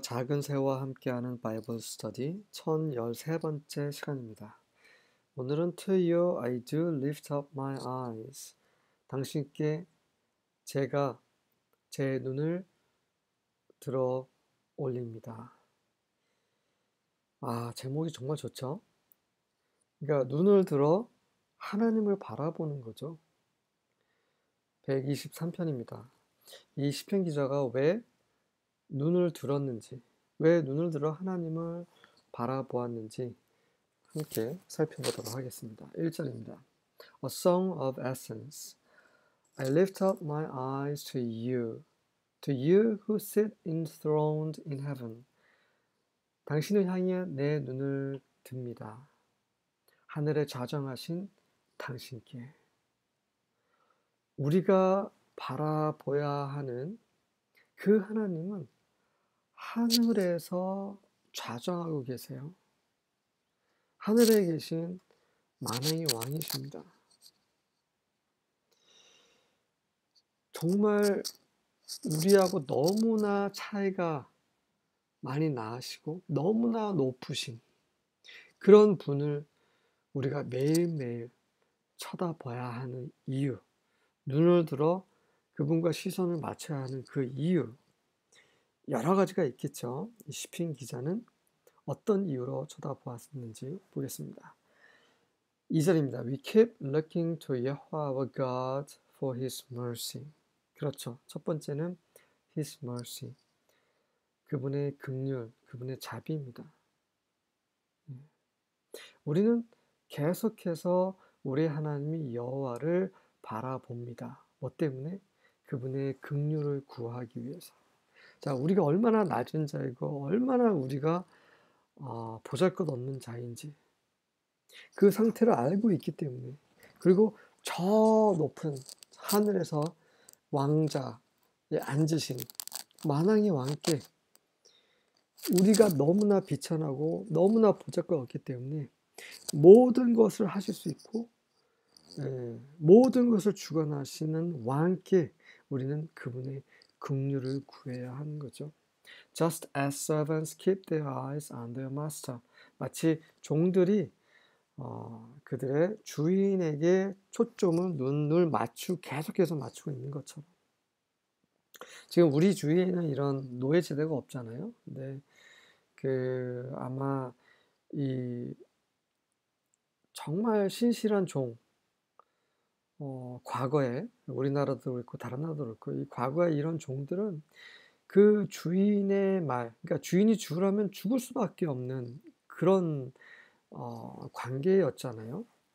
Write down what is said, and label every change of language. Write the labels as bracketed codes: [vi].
[ko] 작은 새와 함께하는 바이블 스터디 1013번째 시간입니다. 오늘은 [en] To you I do lift up my eyes. [ko] 당신께 제가 제 눈을 들어 올립니다. 아, 제목이 정말 좋죠? 그러니까 눈을 들어 하나님을 바라보는 거죠. 123편입니다. 이 시편 기자가 왜 눈을 들었는지, 왜 눈을 들어 하나님을 바라보았는지 함께 살펴보도록 하겠습니다. 1절입니다. [en] A song of ascents. I lift up my eyes to you who sit enthroned in heaven. [ko] 당신을 향해 내 눈을 듭니다. 하늘에 좌정하신 당신께. 우리가 바라보야 하는 그 하나님은 하늘에서 좌정하고 계세요. 하늘에 계신 만왕의 왕이십니다. 정말 우리하고 너무나 차이가 많이 나시고 너무나 높으신 그런 분을 우리가 매일매일 쳐다봐야 하는 이유, 눈을 들어 그분과 시선을 맞춰야 하는 그 이유, 여러 가지가 있겠죠. 이 시편 기자는 어떤 이유로 쳐다보았는지 보겠습니다. 2절입니다. [en] We keep looking to Yahweh our God for His mercy. [ko] 그렇죠. 첫 번째는 [en] His mercy. [ko] 그분의 긍휼, 그분의 자비입니다. 우리는 계속해서 우리 하나님이 여호와를 바라봅니다. 뭐 때문에? 그분의 긍휼을 구하기 위해서. 자, 우리가 얼마나 낮은 자이고, 얼마나 우리가 보잘것없는 자인지, 그 상태를 알고 있기 때문에, 그리고 저 높은 하늘에서 왕좌에 앉으신 만왕의 왕께 우리가 너무나 비천하고 너무나 보잘것없기 때문에 모든 것을 하실 수 있고, 모든 것을 주관하시는 왕께 우리는 그분의 긍휼을 구해야 하는 거죠. [en] Just as servants keep their eyes on their master. [ko] 마치 종들이 그들의 주인에게 초점을 눈을 맞추 계속해서 맞추고 있는 것처럼. 지금 우리 주위에는 이런 노예 제도가 없잖아요. 근데 그 아마 이 정말 신실한 종 과거에 우리나라도 그렇고 다른 나라도 그렇고 이 과거에 이런 종들은 그 주인의 말, 그러니까 주인이 죽으라면 죽을 수밖에 없는 그런 관계였잖아요.